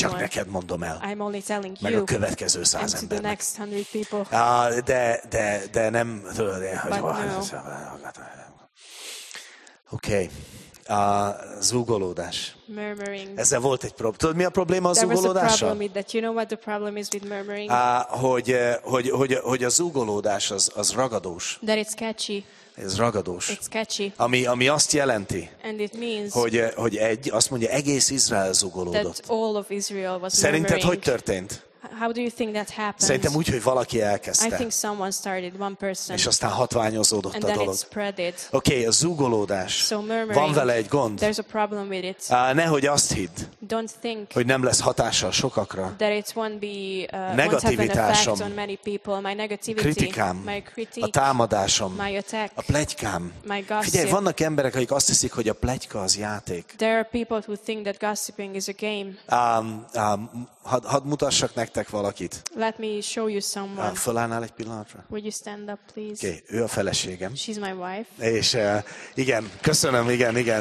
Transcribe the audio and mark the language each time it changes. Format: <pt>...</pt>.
<hu>Csak neked mondom el.</hu> <en>I'm only telling</en> <hu>meg</hu> <en>you.</en> <hu>Meg a következő száz embernek.</hu> <en>And to the next 100 people.</en> <hu>De nem tudod, hogy okay. Zúgolódás.</hu> <en>Murmuring.</en> <hu>Ezzel volt egy probléma. Tudod, mi a probléma a zúgolódással?</hu> <en>There was a problem with that. You know what the problem is with murmuring?</en> <hu>Hogy a zúgolódás az ragadós.</hu> <en>That it's catchy.</en> <hu>Ez ragadós.</hu> <en>It's catchy.</en> <hu>Ami azt jelenti,</hu> <en>and it means,</en> <hu>hogy egy, azt mondja, egész Izrael zúgolódott.</hu> <en>That all of Israel was</en> <hu>szerinted</hu> <en>murmuring.</en> <hu>Hogy történt?</hu> <en>How do you think that happened?</en> <hu>Szerintem úgy, hogy valaki elkezdte.</hu> <en>I think someone started, one person.</en> <hu>És aztán hatványozódott</hu> <en>and</en> <hu>a dolog.</hu> <en>And then it spread it.</en> <hu>Okay, a zúgolódás.</hu> <en>So murmuring.</en> <hu>Van vele egy gond.</hu> <en>There's a problem with it.</en> <hu>Nehogy azt hidd.</hu> <en>Don't think.</en> <hu>Hogy nem lesz hatása sokakra.</hu> <en>That it won't be</en> <hu>negativitásom.</hu> <en>Won't have an effect on many people. My negativity.</en> <hu>Kritikám.</hu> <en>My critique.</en> <hu>A támadásom.</hu> <en>My attack.</en> <hu>A pletykám.</hu> <en>My gossip.</en> <hu>Figyelj, vannak emberek, akik azt hiszik, hogy a pletyka az játék.</hu> <en>There are people who think that gossiping is a game.</en> <hu>Hadd mutassak nektek valakit.</hu> <en>Let me show you someone.</en> <hu>Fölállnál egy pillanatra?</hu> <en>Would you stand up, please?</en> <hu>Okay, ő a feleségem.</hu> <en>She's my wife.</en> <hu>És igen, köszönöm, igen, igen.</hu>